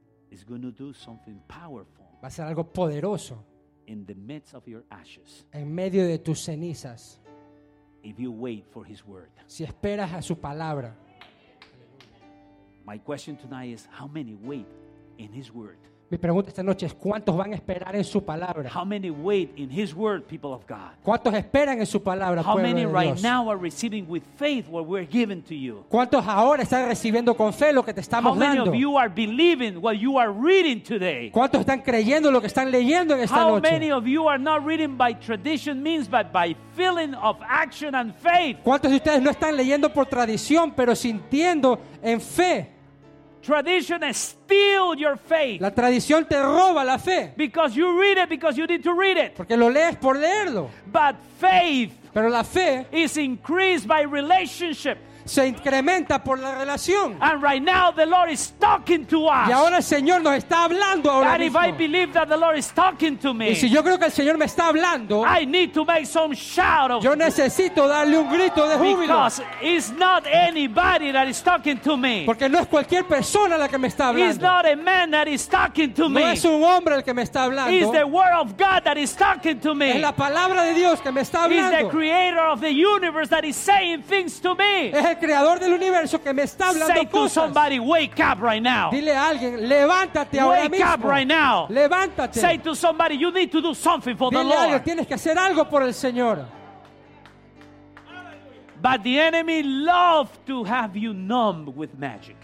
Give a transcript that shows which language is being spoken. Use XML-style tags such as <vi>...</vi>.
<en>Is going to do something powerful.</en> <es>Va a hacer algo poderoso.</es> <en>In the midst of your ashes.</en> <es>En medio de tus cenizas.</es> <en>If you wait for his word.</en> <es>Si esperas a su palabra.</es> <en>My question tonight is how many wait in his word.</en> <es>Mi pregunta esta noche es cuántos van a esperar en su palabra.</es> <en>How many wait in His word, people of God?</en> <es>¿Cuántos esperan en su palabra, pueblo de Dios?</es> <en>How many right now are receiving with faith what we're giving to you?</en> <es>¿Cuántos ahora están recibiendo con fe lo que te estamos dando?</es> <en>How many of you are believing what you are reading today?</en> <es>¿Cuántos están creyendo lo que están leyendo en esta noche?</es> <en>How many of you are not reading by tradition means but by feeling of action and faith?</en> <es>¿Cuántos de ustedes no están leyendo por tradición pero sintiendo en fe?</es> <en>Tradition steals your faith.</en> <es>La tradición te roba la fe.</es> <en>Because you read it because you need to read it.</en> <es>Porque lo lees por leerlo.</es> <en>But faith,</en> <es>pero la fe,</es> <en>is increased by relationship.</en> <es>Se incrementa por la relación.</es> <en>And right now the Lord is talking to us.</en> <es>Y ahora el Señor nos está hablando ahora mismo.</es> <en>If I believe that the Lord is talking to me.</en> <es>Y si yo creo que el Señor me está hablando,</es> <en>I need to make some shout of.</en> <es>Yo necesito darle un grito de júbilo.</es> <en>Because it's not anybody that is talking to me.</en> <es>Porque no es cualquier persona la que me está hablando.</es> <en>It's not a man that is talking to me.</en> <es>No es un hombre el que me está hablando.</es> <en>It's the word of God that is talking to me.</en> <es>Es la palabra de Dios que me está hablando.</es> <en>It's the creator of the universe that is saying things to me.</en> <es>El creador del universo que me está hablando.</es> <en>Say</en> <es>cosas.</es> <en>To somebody, wake up right now.</en> <es>Dile a alguien, levántate ahora mismo.</es> <en>Wake up right now.</en> <es>Levántate.</es> <en>Say to somebody, you need to do something for</en> <es>Dile</es> <en>the Lord.</en> <es>Dile a alguien, tienes que hacer algo por el Señor.</es> <en>But the enemy loves to have you numb with magic.</en>